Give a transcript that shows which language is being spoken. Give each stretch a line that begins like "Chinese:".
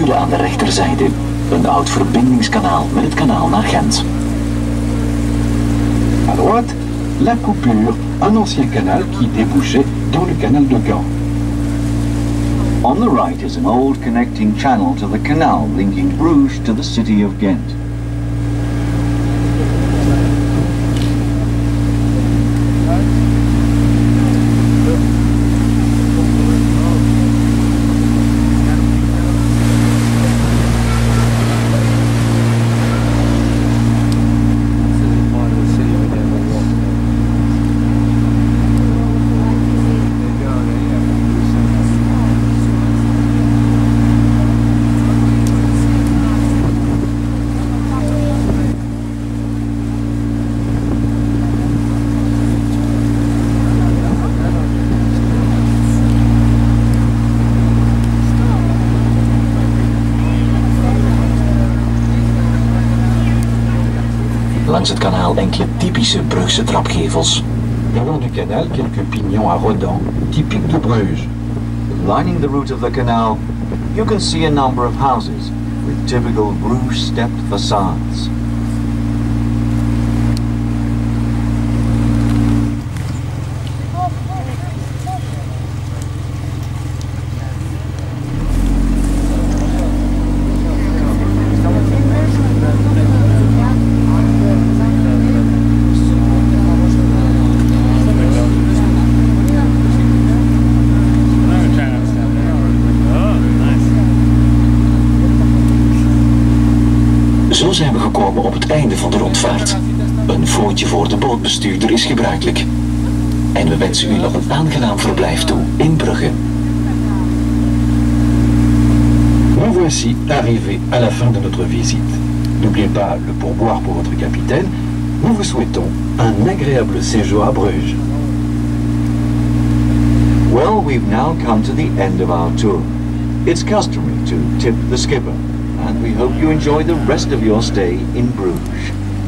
Dutch: Rechterzijde, een oud verbindingskanaal met het kanaal naar Gent.
French: À droite, la coupure, un ancien canal qui débouchait dans le canal de Gand.
English: On the right is an old connecting channel to the canal linking Bruges to the city of Ghent.
Dutch: Langs het kanaal enkele typische Brugse trapgevels.
French: Le long du canal, quelques pignons à rodant, typique de Bruges.
English: Lining the route of the canal, you can see a number of houses with typical Bruges-stepped facades. Thank you.
Dutch: zijn we gekomen op het einde van de rondvaart. Een voetje voor de bootbestuurder is gebruikelijk. En we wensen u nog een aangenaam verblijf toe in Brugge.
French: Nous voici arrivés à la fin de notre visite. N'oubliez pas le pourboire pour votre capitaine. Nous vous souhaitons un agréable séjour à Bruges.
English: Well, we've now come to the end of our tour. It's customary to tip the skipper, and we hope you enjoy the rest of your stay in Bruges.